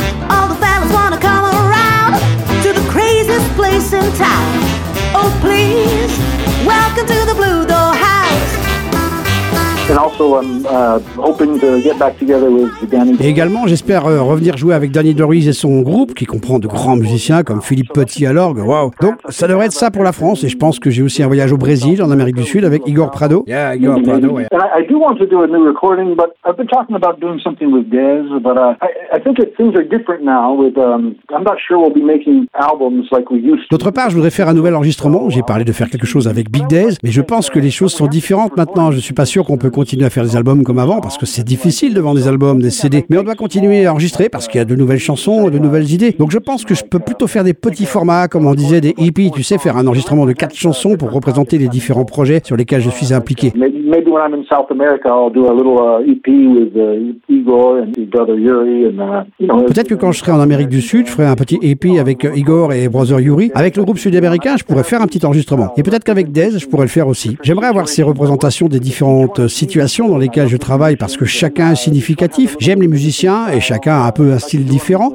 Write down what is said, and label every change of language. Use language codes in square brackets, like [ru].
[en] All the fellas wanna come around to the craziest place in town. Oh, please, welcome to the Blue Door. And also, hoping to get back together with Danny. [fr] Et également, j'espère revenir jouer avec Danny DeRuys et son groupe, qui comprend de grands musiciens comme Philippe Petit à l'orgue. Wow. Donc, ça devrait être ça pour la France. Et je pense que j'ai aussi un voyage au Brésil, en Amérique du Sud, avec Igor Prado. [en] Yeah, Igor Prado. And I do want to do a new recording, but I've been talking about doing something with Dez. But I think that things are different now. I'm not sure we'll be making albums like we used to. [fr] D'autre part, je voudrais faire un nouvel enregistrement. J'ai parlé de faire quelque chose avec Big Dez, mais je pense que les choses sont différentes maintenant. Je suis pas sûr qu'on peut continuer à faire des albums comme avant, parce que c'est difficile de vendre des albums, des CD. Mais on doit continuer à enregistrer parce qu'il y a de nouvelles chansons et de nouvelles idées. Donc je pense que je peux plutôt faire des petits formats, comme on disait, des EP, tu sais, faire un enregistrement de 4 chansons pour représenter les différents projets sur lesquels je suis impliqué. [en] Maybe when I'm in South America, I'll do a little EP with Igor and his brother Yuri. [fr] Peut-être que quand je serai en Amérique du Sud, je ferai un petit EP avec Igor et brother Yuri. Avec le groupe sud-américain, je pourrais faire un petit enregistrement. Et peut-être qu'avec Dez, je pourrais le faire aussi. J'aimerais avoir ces représentations des différentes situations formations dans lesquelles je travaille parce que chacun est significatif. J'aime les musiciens et chacun a un peu un style différent.